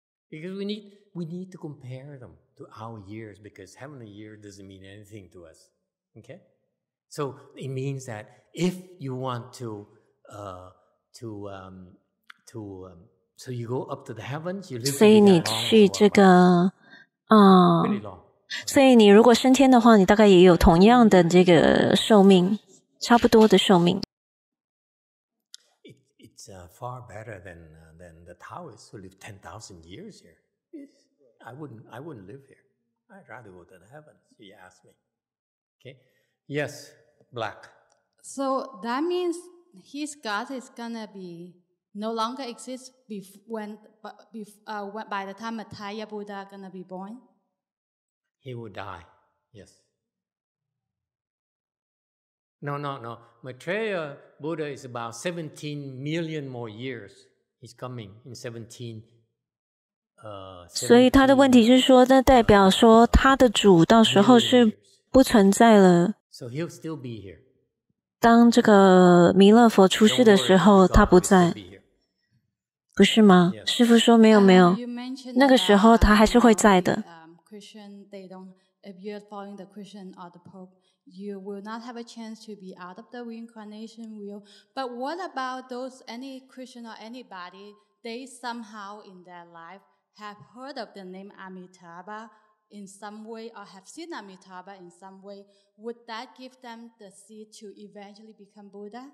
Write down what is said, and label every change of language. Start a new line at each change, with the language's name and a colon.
English: Because we need to compare them to our years, because heavenly year doesn't mean anything to us. Okay? So it means that if you want so you go up to the heavens, you live for
Chinese: 所以你去这个
English: really long. Okay.
Chinese: 所以你如果升天的话，你大概也有同样的这个寿命，差不多的寿命。
English: It's far better than the Taoists who live 10,000 years here. I wouldn't live here. I'd rather go to the heavens, if you ask me. Okay? Yes, Black. So that means his God is going to be no longer exist by the time Maitreya Buddha is going to be born? He will die, yes. No. Maitreya Buddha is about 17 million more years. He's coming in 17.
Chinese: 所以他的问题是说，那代表说他的主到时候是不存在了。
English: So he'll still be here.
Chinese: 当这个弥勒佛出世的时候，他不在，不是吗？
English: Yes.
Chinese: 师父说没有没有，那个时候他还是会在的。
English: Christian, they don't. If you're following the Christian or the Pope, you will not have a chance to be out of the reincarnation wheel. But what about those, any Christian or anybody, they somehow in their life have heard of the name Amitabha, in some way or have seen Amitabha in some way, would that give them the seed to eventually become Buddha?